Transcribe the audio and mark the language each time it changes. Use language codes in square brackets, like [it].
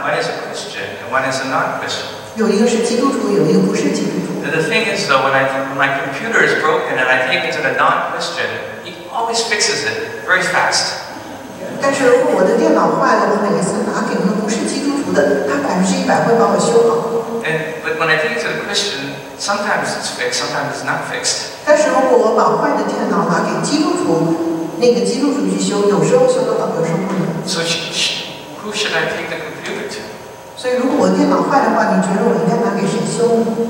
[en] is a Christian and one is a non-Christian. [zh] 有一个是基督徒，有一个不是基督徒。 [en] The thing is, though, when my computer is broken and I take it to the non-Christian, he always fixes it very fast. [zh] 但是如果我的电脑坏了，我每一次拿给那个不是基督徒的，他100%会帮我修好。 [en] But when I take it to the Christian, sometimes it's fixed, sometimes it's not fixed. [zh] 但是如果我把坏的电脑拿给基督徒， 那个基督徒去修，有时候修得好，有时候不能。So [en] who should I take the computer to? [zh] 所以如果我电脑坏的话，你觉得我应该拿给谁修呢？